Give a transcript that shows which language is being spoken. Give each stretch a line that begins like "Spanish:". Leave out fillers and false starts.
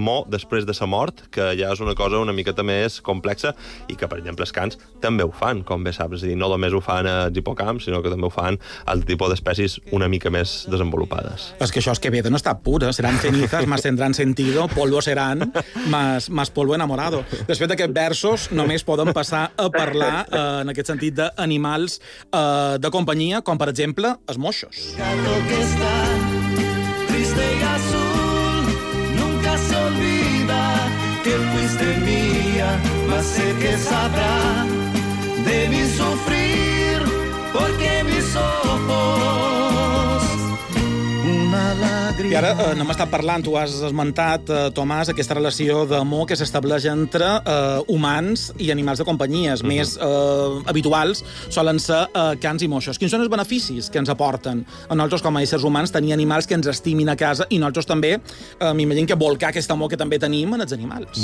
Catalan: després de sa mort, que ja és una cosa una miqueta més complexa i que, per exemple, els cans també ho fan, com bé saps. És a dir, no només ho fan els hipocamps, sinó que també ho fan el tipus d'espècies una mica més desenvolupades. És que això és que ve de no estar pura.
Spanish: Seran cenizas, más tendrán sentido, polvo serán, más polvo enamorado.
Catalan: Després d'aquests versos, només poden passar a parlar, en aquest sentit, d'animals de companyia, com, per exemple, els moixos.
Spanish: Gato que está triste y azul, nunca se olvida que fuiste mía, más sé que sabrá de mi sufrir, porque mis ojos una lágrima.
Catalan: I ara no m'està parlant, tu has esmentat, Tomàs, aquesta relació d'amor que s'estableix entre humans i animals de companyia. Mm-hmm. Més habituals solen ser cans i moixos. Quins són els beneficis que ens aporten a nosaltres com a éssers humans tenir animals que ens estimin a casa i nosaltres també m'imagino que volcar aquest amor que també tenim en els animals?